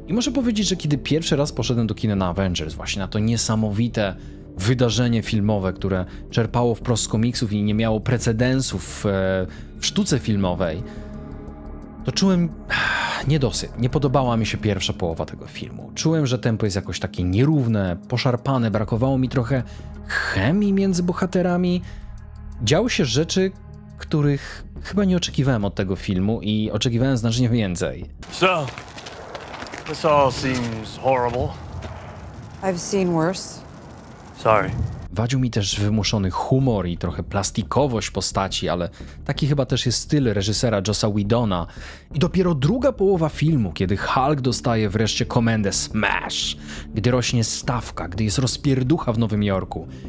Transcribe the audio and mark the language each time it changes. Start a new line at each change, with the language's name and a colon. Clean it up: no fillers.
Polish: I muszę powiedzieć, że kiedy pierwszy raz poszedłem do kina na Avengers, właśnie na to niesamowite wydarzenie filmowe, które czerpało wprost z komiksów i nie miało precedensów w sztuce filmowej, to czułem niedosyt. Nie podobała mi się pierwsza połowa tego filmu. Czułem, że tempo jest jakoś takie nierówne, poszarpane, brakowało mi trochę chemii między bohaterami. Działy się rzeczy, których chyba nie oczekiwałem od tego filmu i oczekiwałem znacznie więcej.
English: So, this all seems horrible. I've seen worse. Sorry.
Polish: Wadził mi też wymuszony humor i trochę plastikowość postaci, ale taki chyba też jest styl reżysera Jossa Whedona. I dopiero druga połowa filmu, kiedy Hulk dostaje wreszcie komendę Smash, gdy rośnie stawka, gdy jest rozpierducha w Nowym Jorku.